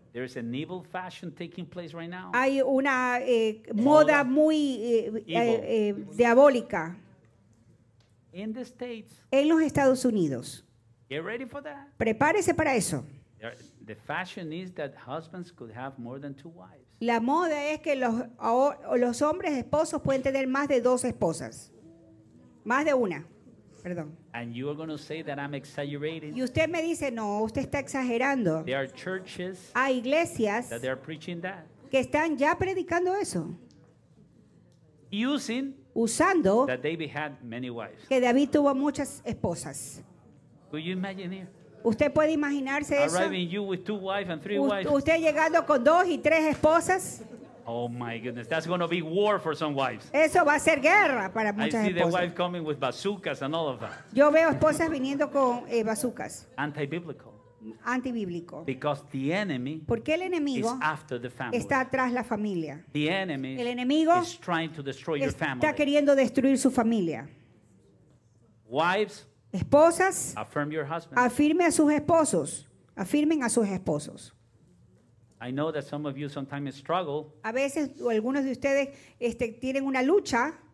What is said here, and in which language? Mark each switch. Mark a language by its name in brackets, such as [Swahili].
[English] There is an evil fashion taking place right now. [Spanish] Hay una moda muy diabólica. [English] In the States. [Spanish] En los Estados Unidos. [English] Get ready for that. [Spanish] Prepárese para eso. [English] The fashion is that husbands could have more than two wives. [Spanish] La moda es que los hombres esposos pueden tener más de dos esposas. Más de una. Perdón. [English] And you are going to say that I'm exaggerating. [Spanish] Y usted me dice, no, usted está exagerando. [English] There are churches. [Spanish] Hay iglesias. [English] That they are preaching that. [Spanish] Que están ya predicando eso. [English] Using. [Spanish] Usando. [English] That David had many wives. [Spanish] Que David tuvo muchas esposas. [English] Could you imagine it? [Spanish] ¿Usted puede imaginarse [English] arriving [Spanish] eso? [English] You with two wives and three wives. [Spanish] ¿Usted llegando con dos y tres esposas? [English] Oh my goodness, that's going to be war for some wives. [Spanish] Eso va a ser guerra para muchas esposas. [English] I see the wife coming with bazookas and all of that. [Spanish] Yo veo esposas viniendo con bazookas. [English] Anti-biblical. [Spanish] Antibíblico. [English] Because the enemy. [Spanish] Porque el enemigo. [English] Is after the family. [Spanish] Está atrás la familia. [English] The enemy. [Spanish] El enemigo. [English] Is trying to destroy your family. [Spanish] Está queriendo destruir su familia. [English] Wives. [Spanish] Esposas. [English] Affirm your husband. [Spanish] Afirme a sus esposos. Afirmen a sus esposos. [English] I know that some of you sometimes struggle. [Spanish] A veces algunos de ustedes tienen una lucha.